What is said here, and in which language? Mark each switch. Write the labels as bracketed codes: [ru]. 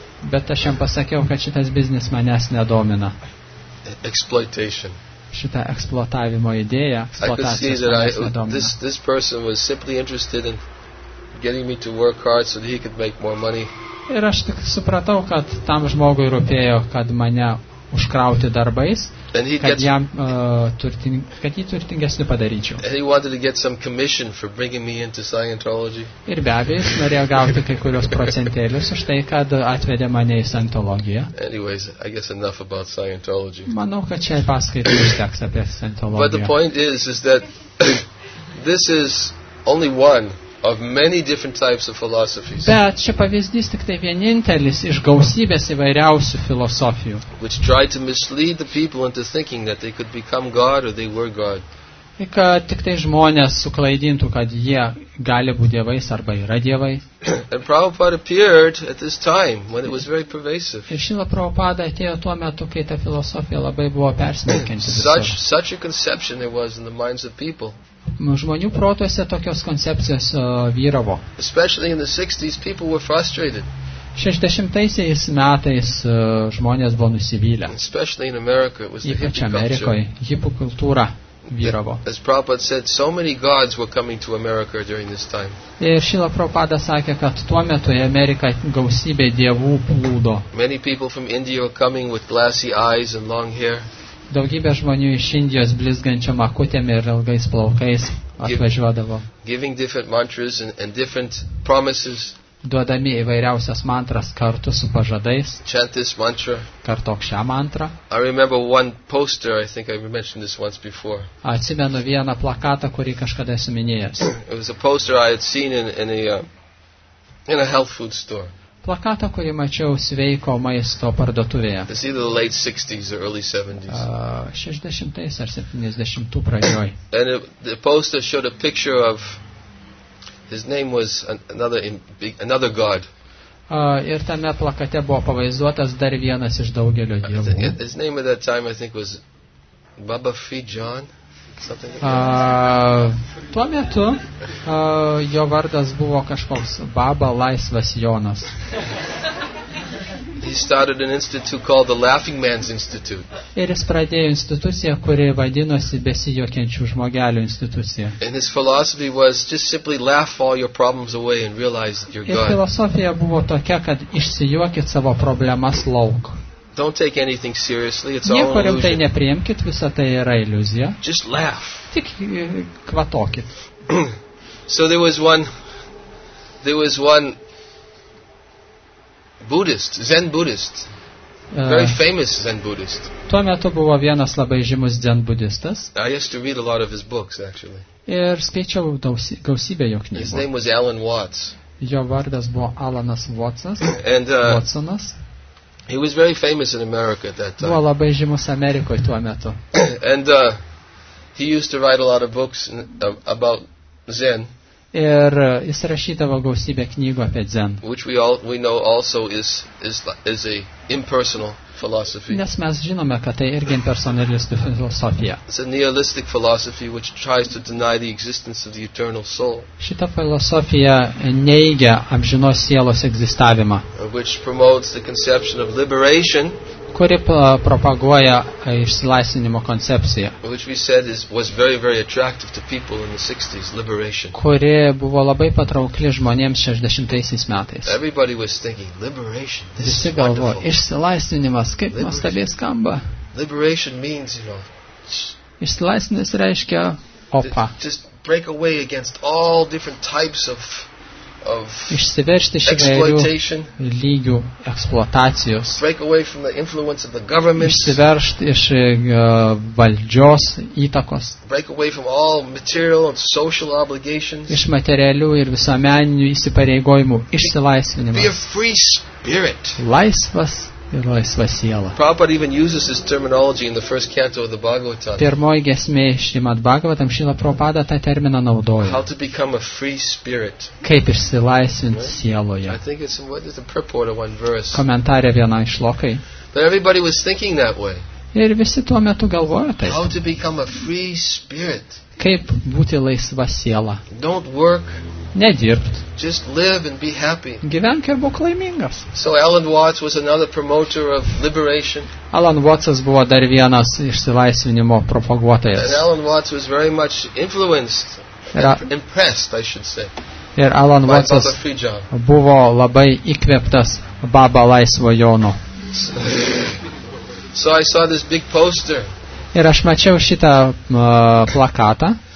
[lt] bet aš jam pasakiau, kad šitas biznis manęs nedomina. [en] Exploitation. [lt] Šita eksploatavimo idėja, eksploatacijos manęs nedomina. [en] This person was simply interested in getting me to work hard so that he could make more money. [lt] Ir aš tik supratau, kad tam žmogui rūpėjo, kad mane užkrauti darbais, kad jį turtingesnį padaryčiau. [en] And he wanted to get some commission for bringing me into Scientology. [lt] Ir be abejo, norėjo gauti kai kurios procentėlius už tai, kad atvedė mane į Scientologiją. [en] Anyways, I guess enough about Scientology. [lt] Manau, kad čia paskaitų užteks apie Scientologiją. [en] But the point is that this is only one of many different types of philosophies. [lt] Bet čia pavyzdys tik tai vienintelis iš gausybės įvairiausių filosofijų. [en] Which tried to mislead the people into thinking that they could become God or they were God. [lt] Kad tik tai žmonės suklaidintų, kad jie gali būti dievais arba yra dievai. [en] And Prabhupada appeared at this time when it was very pervasive. [lt] Ir Šila Prabhupada atėjo tuo metu, kai ta filosofija labai buvo persmelkianti visur. [en] Such a conception it was in the minds of people. [lt] Žmonių protuose tokios koncepcijos vyravo. [en] Especially in the 60s people were frustrated. [lt] 60-aisiais metais žmonės buvo nusivylę. [en] Especially in America it was the hippie [lt] Amerikoje hipių kultūra. [en] As Prabhupada said, so many gods were coming to America during this time. [lt] Ir Šila Prabhupada sakė, kad tuo metu į Ameriką gausybė dievų plūdo. [en] Many people from India were coming with glassy eyes and long hair. [lt] Daugybė žmonių iš Indijos blizgančiom akutėm ir ilgais plaukais atvažiuodavo. [en] Giving different mantras and different promises. [lt] Duodami įvairiausias mantras kartu su pažadais. [en] Chant this mantra. [lt] Kartok šią mantrą. [en] I remember one poster, I think I mentioned this once before. [lt] Atsimenu vieną plakatą, kurį kažkada esu minėjęs. [en] It was a poster I had seen in a health food store. [lt] Plakatą, kurį mačiau sveiko maisto parduotuvėje. [en] It's either the late 60s or early 70s. [lt] 60-ais ar 70-tų pradžioj. [en] And the poster showed a picture of his name was another god. [lt] Ir tame plakate buvo pavaizduotas dar vienas iš daugelio dievų. [en] His name at that time I think was Baba Fee John, something like that. [lt] Tuo metu jo vardas buvo kažkoks Baba Laisvas Jonas. [en] He started an institute called the Laughing Man's Institute. [lt] Ir jis pradėjo instituciją, kuri vadinosi besijuokiančių žmogelių institucija. [en] And his philosophy was just simply laugh all your problems away and realize that you're God. [lt] Ir filosofija buvo tokia, kad išsijuokit savo problemas lauk. [en] Don't take anything seriously, it's all illusion. [lt] Nieko rimtai nepriimkit, visa tai yra iliuzija. [en] Just laugh. [lt] Tik kvatokit. [en] So there was one Buddhist, Zen Buddhist. Very famous Zen Buddhist. [lt] Tuo metu buvo vienas labai žymus Zen budistas. [en] I used to read a lot of his books actually. [lt] Ir skaičiau gausybę jo knygų. [en] His name was Alan Watts. [lt] Jo vardas buvo Alanas Watsas. [en] And [lt] Watsonas. [en] He was very famous in America at that time. [lt] Buvo labai žymus Amerikoje tuo metu. [en] And he used to write a lot of books about Zen. [lt] Ir jis rašydavo gausybę knygų apie Zen. [en] Which we know also is a impersonal philosophy. [lt] Nes mes žinome, kad tai irgi impersonalistų filosofija. [en] It's a nihilistic philosophy which tries to deny the existence of the eternal soul. [lt] Šita filosofija neigia amžinos sielos egzistavimą. [en] Which promotes the conception of liberation. [lt] Kuri propaguoja išsilaisvinimo koncepciją. [en] Which we said was very, very attractive to people in the 60s, liberation. [lt] Kuri buvo labai patraukli žmonėms 60-aisiais metais. [en] Everybody was thinking, liberation, this [lt] visi galvo, išsilaisvinimas, kaip nuostabiai skamba. [en] Liberation means, you know, [lt] išsilaisvinimas reiškia opa. [en] Just break away against all different types of [lt] išsiveržti iš įvairių lygių eksploatacijos, [en] break away from the influence of the government, [lt] išsiveržti iš valdžios įtakos, [en] break away from all material and social obligations, [lt] iš materialių ir visuomeninių įsipareigojimų išsilaisvinimas, [en] be a free spirit, [lt] laisvas ir laisva siela. [en] Prabhupada even uses this terminology in the first canto of the Bhagavatam. [lt] Pirmoji giesmė iš Šrimad Bhagavatam Šrila Prabhupada tą terminą naudoja. [en] How to become a free spirit. [lt] Kaip išsilaisvinti sieloje. [en] I think it's the purport of one verse. [lt] Komentarė viena iš šlokai. [en] But everybody was thinking that way. [lt] Ir visi tuo metu galvojo taip. [en] How to become a free spirit. [lt] Kaip būti laisva siela. [en] Don't work. [lt] Nedirbt. [en] Just live and be happy. [lt] Gyvenk ir būk laimingas. [en] So Alan Watts was another promoter of liberation. [lt] Alan Watts buvo dar vienas išsilaisvinimo propaguotojas. [en] And Alan Watts was very much influenced, impressed, I should say. [lt] Ir Alan Watts buvo labai įkvėptas Baba Laisvo Jono. [en] So I saw this big poster. [lt] Ir aš mačiau šitą plakatą.